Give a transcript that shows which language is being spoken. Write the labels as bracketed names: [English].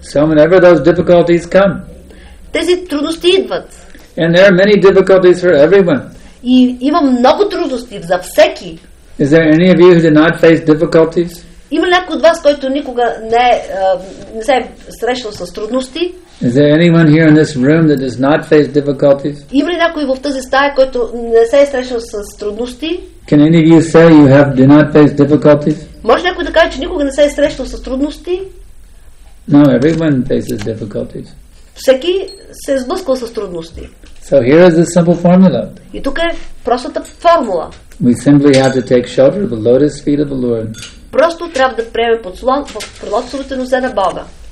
[English] So whenever those difficulties come, [Bulgarian] тези трудности идват. [English] And there are many difficulties for everyone. [Bulgarian] И има много трудности за всеки. [English] Is there any of you who did not face difficulties? [Bulgarian] Има ли някой от вас, който никога не се е срещал с трудности? [English] Is there anyone here in this room that does not face difficulties? [Bulgarian] Има ли някой в тази стая, който не се е срещал с трудности? [English] Can any of you say you have did not face difficulties? [Bulgarian] Може някой да каже, че никога не се е срещал с трудности? [English] No, everyone faces difficulties. [Bulgarian] Всеки се е сблъсквал с трудности. [English] So here is a simple formula. [Bulgarian] И тук е простата формула. [English] We simply have to take shelter of the lotus feet of the Lord. [Bulgarian] Просто трябва да приеме подслон в пролотсовите носе на Бога.